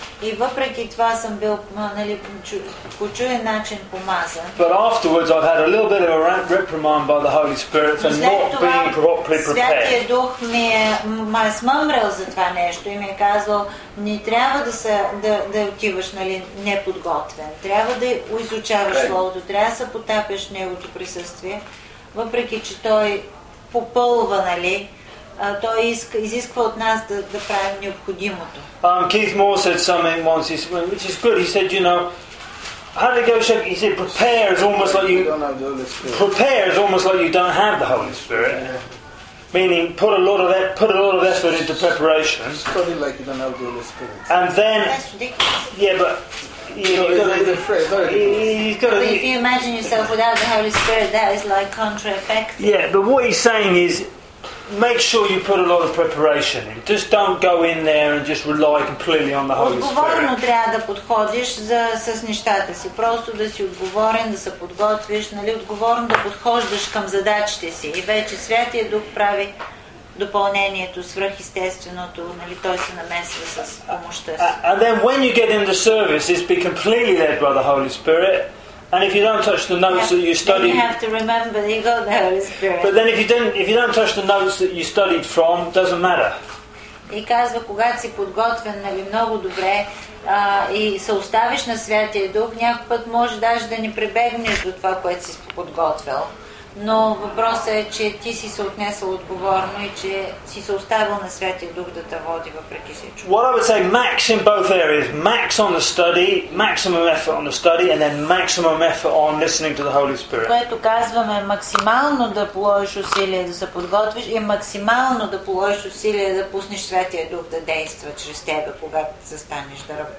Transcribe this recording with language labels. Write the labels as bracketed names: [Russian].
[Bulgarian] И въпреки това съм бил нали, по чуден начин помазан. [English] But afterwards I've had a little bit of a reprimand by the Holy Spirit for not being properly prepared. [Bulgarian] Святия Дух ме смъмрил за това нещо и ми е казал, не трябва да отиваш нали, неподготвен. Трябва да изучаваш Словото, трябва да се потапяш Неговото присъствие. Въпреки, че той попълва, нали, той изисква от нас да правим необходимото. [English] Keith Moore said something once, which is good. He said, you know, how to go check. He said, prepare is almost like you don't have the Holy Spirit. Yeah. Meaning, put a lot of effort into preparation. It's probably like you don't have the Holy Spirit. And then, if you imagine yourself without the Holy Spirit, that is like contra-effective. Yeah, but what he's saying is, make sure you put a lot of preparation in. Just don't go in there and just rely completely on the Holy Spirit. [Bulgarian] Отговорно трябва да подходиш с нещата си. Просто да си отговорен, да се подготвиш, нали? Отговорно да подхождаш към задачите си. И вече Святия Дух прави допълнението, свръхестественото, нали? Той се намесва с помощта си. [English] And then when you get in the service, it's be completely led by the Holy Spirit. And if you don't touch the notes that you studied, then you have to remember that you got the Holy Spirit. But then if you don't touch the notes that you studied from, it doesn't matter. [Bulgarian] И казва, когато си подготвен, нали, много добре, и се оставиш на Святия Дух, някой път може даже да не прибегнеш до това, което си подготвил. Но въпросът е, че ти си се отнесъл отговорно и че си се оставил на Святия Дух да те води въпреки всичко. [English] What I would say, max in both areas. Max on the study, maximum effort on the study, and then maximum effort on listening to the Holy Spirit. [Bulgarian] Което казваме, максимално да положиш усилия да се подготвиш и максимално да положиш усилия да пуснеш Святия Дух да действа чрез тебе, когато застанеш да